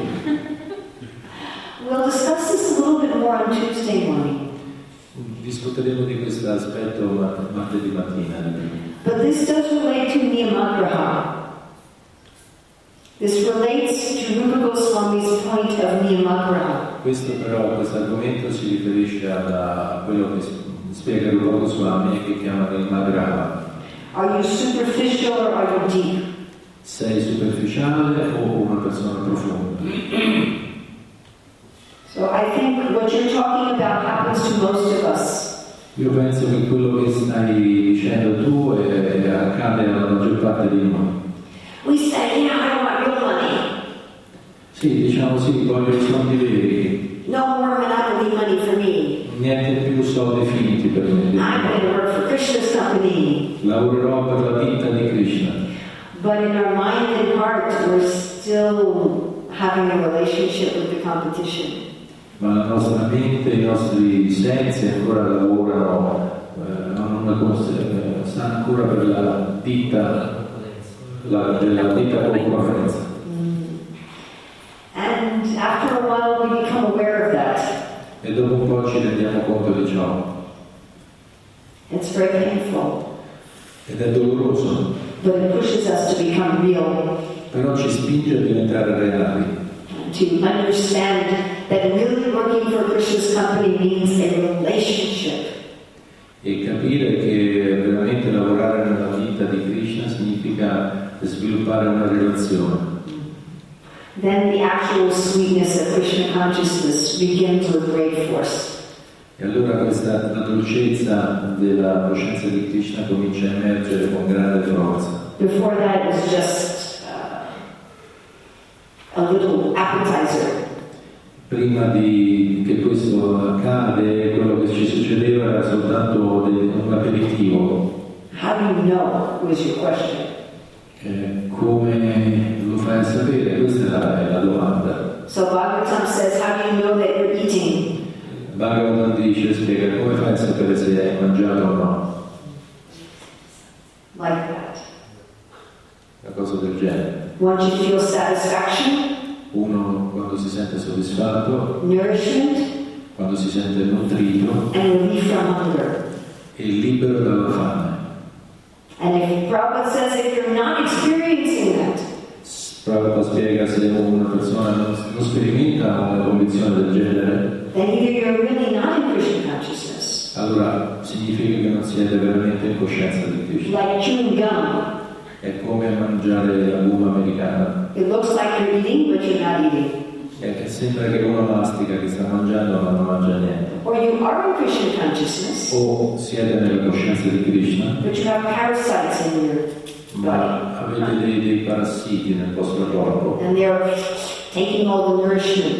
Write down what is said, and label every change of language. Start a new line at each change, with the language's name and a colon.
English: We'll discuss this a little bit more on Tuesday morning.
Italian: Discuteremo di questo aspetto martedì mattina.
English: But this does relate to Niyamagraha. This relates to Rupa Goswami's point of Niyamagraha.
Italian: Questo però, questo argomento si riferisce a quello che spiega Rupa Goswami e che chiama Niyamagraha.
English: Are you superficial or are you deep?
Italian: Sei superficiale o una persona profonda?
English: So I think what you're talking about happens to most of us.
Italian: Io penso che quello che stai dicendo tu accade alla maggior parte di noi.
English: We say, yeah, I want real money.
Italian: Sì, Sì, diciamo sì, voglio i soldi veri.
English: No more monopoly money for me.
Italian: Niente più soldi finti per me.
English: I'm going to work for Krishna's company.
Italian: Lavorerò per la ditta di Krishna.
English: But in our mind and heart, we're still having a relationship with the competition.
Italian: Ma la nostra mente e i nostri sensi ancora lavorano, hanno una cosa, sta ancora per la ditta, la, della ditta concorrenza.
English: And after a while we become aware of that.
Italian: E dopo un po' ci rendiamo conto di ciò.
English: It's very painful.
Italian: Ed è doloroso.
English: But it pushes us to become real.
Italian: Però ci spinge a diventare reali.
English: To understand that really working for Krishna's company means a relationship.
Italian: E capire che veramente lavorare nella vita di Krishna significa sviluppare una relazione.
English: Then the actual sweetness of Krishna consciousness begins with great force.
Italian: E allora questa la dolcezza della coscienza di Krishna comincia a emergere con grande forza.
English: Before that was just a little appetizer.
Italian: Prima di che questo accade, quello che ci succedeva era soltanto un aperitivo.
English: How do you know? Was your question.
Italian: Come lo fai a sapere? Questa è la domanda.
English: So Bhagavatam says, how do you know that you're eating?
Italian: Bhagavatam dice, spiega, come fai a sapere se hai mangiato o no?
English: Like that.
Italian: Una cosa del genere.
English: Once you feel satisfaction.
Italian: Uno quando si sente soddisfatto.
English: Nourishment.
Italian: Quando si sente nutrito.
English: And relief from hunger.
Italian: E libero dalla fame.
English: And if Prabhupada says if you're not experiencing that,
Italian: Prabhupada spiega se una persona non sperimenta una condizione del genere,
English: then either you're really not in Krishna consciousness.
Italian: Allora significa che non siete veramente in coscienza di Krishna.
English: Like chewing gum.
Italian: È come mangiare la gomma americana.
English: It looks like you're eating, but you're not eating.
Italian: È che sembra che uno mastica che sta mangiando ma non mangia niente.
English: Or you are in Krishna consciousness.
Italian: O siete nella coscienza di Krishna.
English: But you have parasites in your body.
Italian: Ma avete dei parassiti nel vostro corpo.
English: And they are taking all the nourishment.